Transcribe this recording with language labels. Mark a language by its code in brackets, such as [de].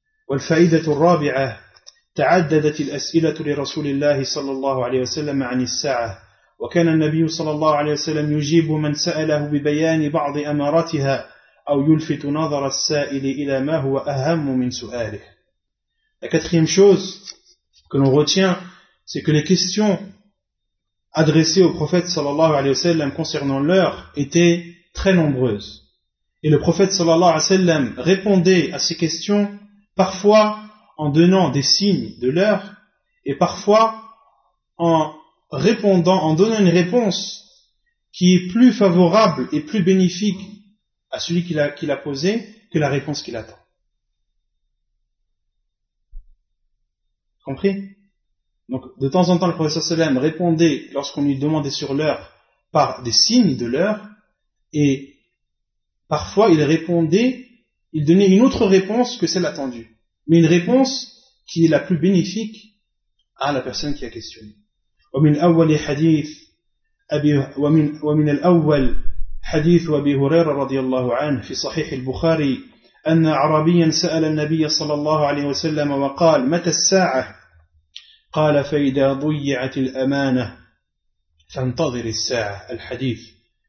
[ar] والفائدة الرابعة تعددت الأسئلة لرسول الله صلى الله عليه وسلم عن الساعة وكان النبي صلى الله عليه وسلم يجيب من سأله ببيان بعض أماراتها أو يلفت نظر السائل إلى ما هو أهم من سؤاله. [fr] La quatrième chose que l'on retient, c'est que les questions adressées au prophète sallallahu alayhi wa sallam concernant l'heure étaient très nombreuses. Et le prophète sallallahu alayhi wa sallam répondait à ces questions parfois en donnant des signes de l'heure et parfois en répondant, en donnant une réponse qui est plus favorable et plus bénéfique à celui qui l'a posé que la réponse qu'il attend. Compris? Donc, de temps en temps, le prophète sallallahu alayhi wa sallam répondait lorsqu'on lui demandait sur l'heure par des signes de l'heure et parfois, il répondait, il donnait une autre réponse que celle attendue. Mais une réponse qui est la plus bénéfique à la personne qui a questionné. [ar] ومن أول حديث أبي ومن الأول حديث أبي هريرة رضي الله عنه في صحيح البخاري أن عربيا سأل النبي صلى الله عليه وسلم وقال متى الساعة؟ قال فإذا ضيعت الأمانة فانتظر الساعة الحديث.